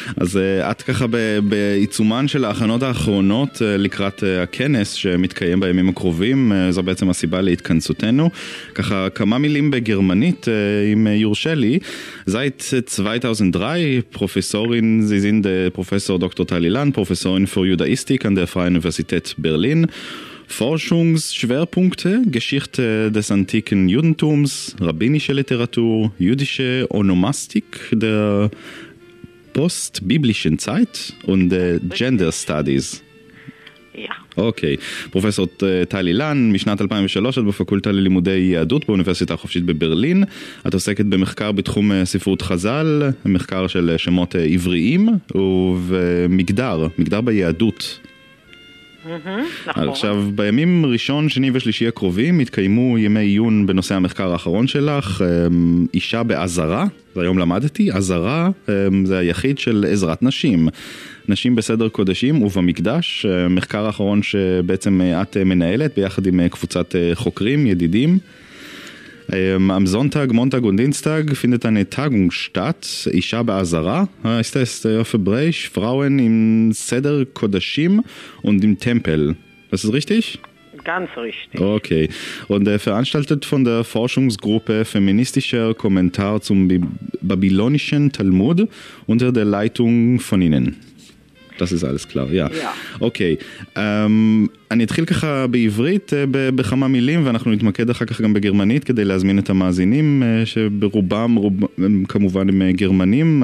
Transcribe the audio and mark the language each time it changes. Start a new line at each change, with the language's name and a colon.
Hebrew: אז את ככה בעיצומן של ההכנות האחרונות לקראת הכנס שמתקיים בימים הקרובים, זו בעצם הסיבה להתכנסותנו. ככה כמה מילים בגרמנית עם יורשלי. זאת
German: 2003, פרופסורין, זיזין דה פרופסור דוקטור טל אילן, פרופסורין פור יודאיסטיק אנד דה פריי אוניברסיטט ברלין. Forschungsschwerpunkte, Geschichte des antiken Judentums, rabbinische Literatur, jüdische Onomastik der postbiblischen Zeit und Gender Studies. Ja. Okay.
Hebrew: Professor Tali Lan, משנת 2003, את בפקולטה ללימודי יהדות באוניברסיטה החופשית בברלין. את עוסקת במחקר בתחום ספרות חז"ל, מחקר של שמות עבריים ומגדר, מגדר ביהדות. נכון. עכשיו, בימים ראשון, שני ושלישי הקרובים התקיימו ימי עיון בנושא המחקר האחרון שלך, אישה בעזרה, זה היום למדתי, עזרה זה היחיד של עזרת נשים, נשים בסדר קודשים ובמקדש, מחקר האחרון שבעצם את מנהלת ביחד עם קבוצת חוקרים, ידידים.
German: Am Sonntag, Montag und Dienstag findet eine Tagung statt. Ich habe Azara, heißt das auf Hebräisch, Frauen im Seder Kodashim und im Tempel. Das ist richtig? Ganz richtig. Okay. Und veranstaltet von der Forschungsgruppe Feministischer Kommentar zum Babylonischen Talmud unter der Leitung von Ihnen. Das ist alles klar, ja.
Hebrew: Okay, אני אתחיל ככה בעברית בכמה מילים, ואנחנו נתמקד אחר כך גם בגרמנית כדי להזמין את המאזינים, שברובם הם כמובן הם גרמנים.